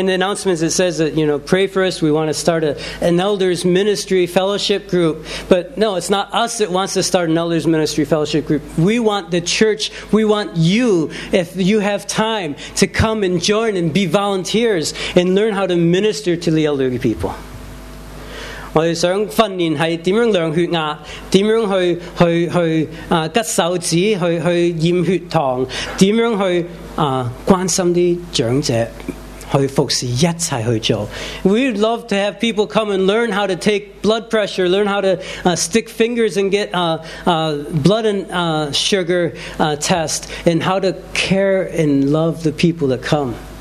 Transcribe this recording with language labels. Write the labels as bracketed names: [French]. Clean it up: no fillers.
[English] In the announcements it says that, you know, pray for us, we want to start an elders ministry fellowship group. But no, it's not us that wants to start an elders ministry fellowship group. We want the church, we want you, if you have time, to come and join and be volunteers and learn how to minister to the elderly people. [Chinese] 我们想训练是怎样量血压，怎样去吉手指，去验血糖，怎样去关心啲长者，去服侍，一齐去做。 [English] We'd love to have people come and learn how to take blood pressure, learn how to stick fingers and get blood and sugar test, and how to care and love the people that come.